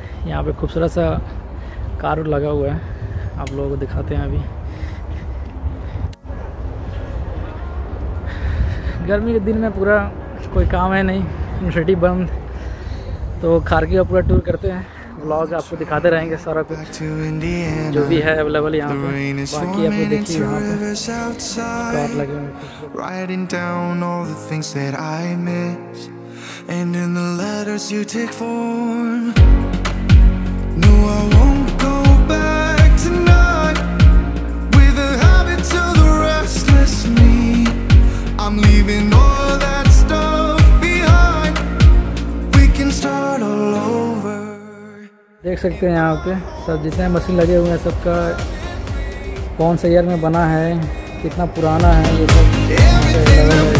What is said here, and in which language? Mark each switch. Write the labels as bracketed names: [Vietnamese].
[Hindi] यहाँ पे खूबसूरत सा कार लगा हुआ है, आप लोगों को दिखाते हैं अभी। गर्मी के दिन में पूरा कोई काम है नहीं, यूनिवर्सिटी बंद, तो खारकी का पूरा टूर करते हैं। व्लॉग आपको दिखाते रहेंगे सारा कुछ जो भी है अवेलेबल यहाँ पर। बाकी आपको देखिए यहाँ पर कार लगे हुए हैं। [English] Writing down all the things that I miss, and in the letters you take form. No, I won't go back tonight with the habits of the restless me. I'm leaving all that stuff behind. We can start all over. [Hindi] देख सकते हैं यहाँ पे सब जितने machine लगे हुए हैं सबका, कौन से ईयर में बना है, कितना पुराना है ये सब।